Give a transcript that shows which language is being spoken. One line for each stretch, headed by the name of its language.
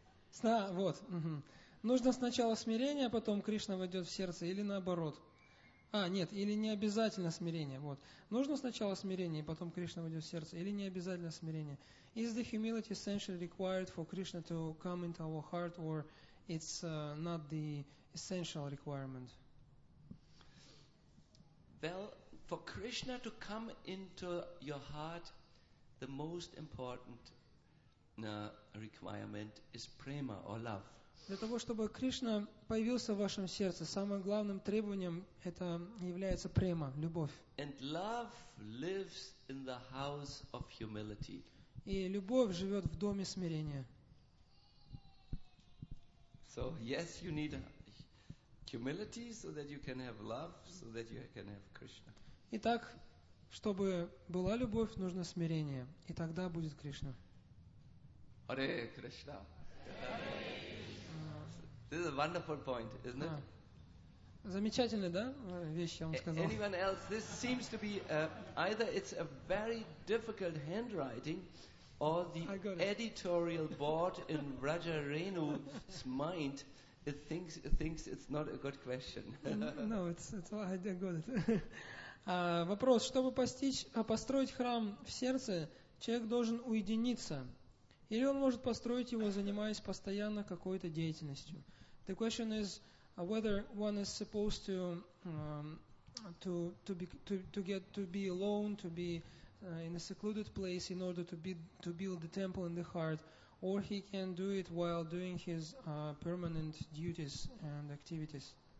Russian: Сна, вот. Нужно сначала смирение, а потом Кришна войдет в сердце, или наоборот? А, нет, или не обязательно смирение. Вот. Нужно сначала смирение, и потом Кришна войдет в сердце, или не обязательно смирение?
English: Is the humility essentially required for Krishna to come into our heart, or it's not the essential requirement? Well, for Krishna to come into your heart, the most important requirement is prema or love.
Russian: Для того, чтобы Кришна появился в вашем сердце, самым главным требованием это является према, любовь.
English: And love lives in the house of humility.
Russian: И любовь живет в доме смирения.
English: So, yes, you need humility so that you can have love, so that you can have Krishna.
Russian: Итак, чтобы была любовь, нужно смирение, и тогда будет Кришна.
English: Hare Krishna. This is a wonderful point, isn't it?
Russian: Замечательная, да, вещь, я вам сказал.
English: Anyone else? This seems to be either it's a very difficult handwriting, or the editorial board in Rajarenu's mind thinks it's not a good question. No, it's I got it.
Russian: Вопрос: чтобы построить храм в сердце, человек должен уединиться, или он может построить его, занимаясь постоянно какой-то деятельностью?
English: The question is whether one is supposed to be alone, to be in a secluded place in order to build the temple in the heart, or he can do it while doing his permanent duties and activities.